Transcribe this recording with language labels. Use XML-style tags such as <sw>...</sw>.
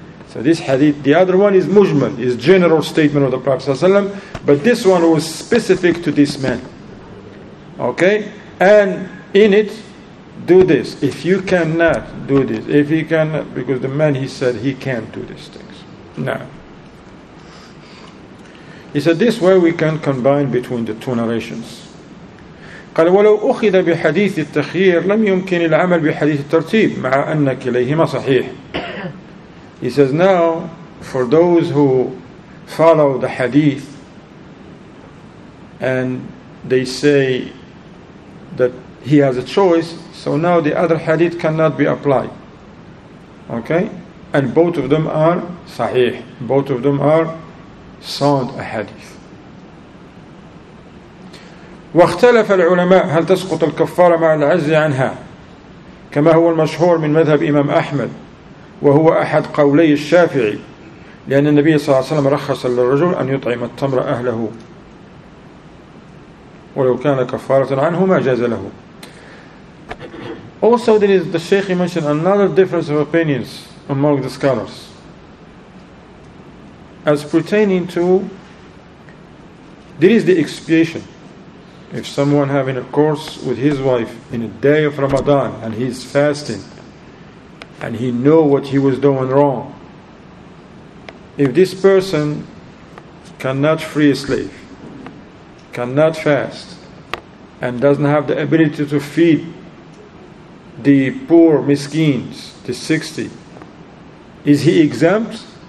<en>So this hadith, the other one is mujmal, is general statement of the Prophet ﷺ, but this one was specific to this man. Okay? And in it, do this. If you cannot do this, if he cannot, because the man, he said he can't do these things. No. He said this way we can combine between the two narrations.</en> <ar>قال ولو أخذ بحديث التخيير لم يمكن العمل بحديث الترتيب مع أن كليهما صحيح.</ar> <en>He says now for those who follow the hadith and they say that he has a choice, so now the other hadith cannot be applied. Okay, and both of them are sahih. Both of them are sound a hadith.</en> <ar>واختلف العلماء هل تسقط الكفارة مع العجز عنها كما هو المشهور من مذهب إمام أحمد وهو أحد قولي الشافعي لأن النبي صلى الله عليه وسلم رخص للرجل أن يطعم التمر أهله ولو كان كفارة عنهما جاز له.</ar> <en>Also there is, the Sheikh mentioned another difference of opinions among the scholars as pertaining to, there is the expiation. If someone having a course with his wife in a day of Ramadan and he's fasting and he know what he was doing wrong, if this person cannot free a slave, cannot fast, and doesn't have the ability to feed the poor miskins, the 60, is he exempt?</en>